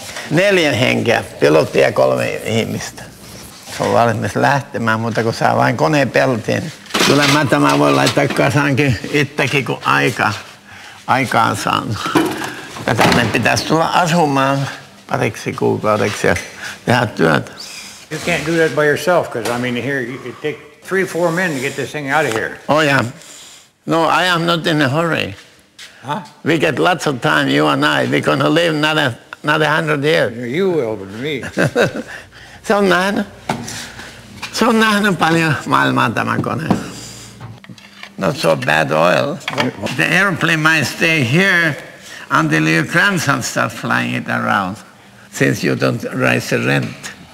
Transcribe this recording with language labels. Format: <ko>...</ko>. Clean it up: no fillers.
<fi>Neljän henkeä, pilotti ja kolme ihmistä. Se on valmis lähtemään, mutta kun saa vain koneen peltiin. Kyllä mä tämän voin laittaa kasaankin itsekin, kun aikaan saan. Ja tänne pitäisi tulla asumaan pariksi kuukaudeksi ja tehdä työtä.</fi> <en>You can't do that by yourself, because I mean, here it takes 3-4 men to get this thing out of here. Oh yeah. No, I am not in a hurry. Huh? We get lots of time, you and I. We're going to live another 100 years. You will, but me.</en> <fi>Se on nähnyt. Se on nähnyt paljon maailmaa tämä kone.</fi> <en>Not so bad oil. The airplane might stay here until your grandson starts flying it around, since you don't raise the rent.</en>